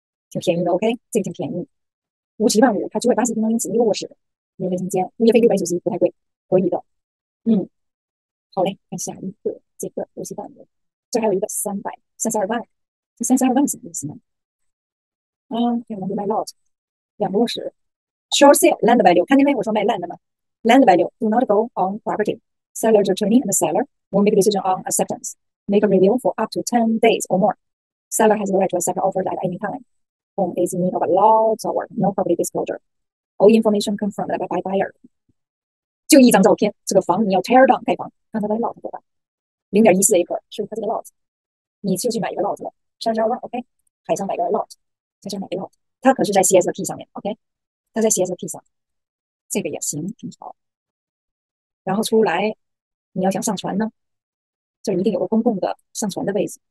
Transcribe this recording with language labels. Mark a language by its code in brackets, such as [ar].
[zh] 挺便宜的，OK，这个挺便宜，50万5，它980平方英尺一个卧室，一个卫生间，物业费691，不太贵，可以的。嗯，好嘞，看下一个，这个50万5，这还有一个332万，这32万什么意思呢？啊，有 [en] buy lot， [zh] 两个卧室， [en] short sale land value， [zh] 看见没？我说卖 land 吗？ [en] land value do not go on property。 Seller's attorney and seller will make a decision on acceptance. Make a review for up to 10 days or more. Seller has the right to accept offers at any time. Home is in need of a lot of work, no public disclosure. All information confirmed by buyer. [zh] 就一张照片，这个房你要 [en] tear down [zh] 盖房，看它的 lot 多大，0.14 acre 是它这个 lot。你就去买一个 lot 了，32万，OK？ 海上买个 lot，在这买个 lot，它可是在 CSP 上面，OK？它在 CSP 上，这个也行，挺好。然后出来，你要想上船呢，这一定有个公共的上船的位置。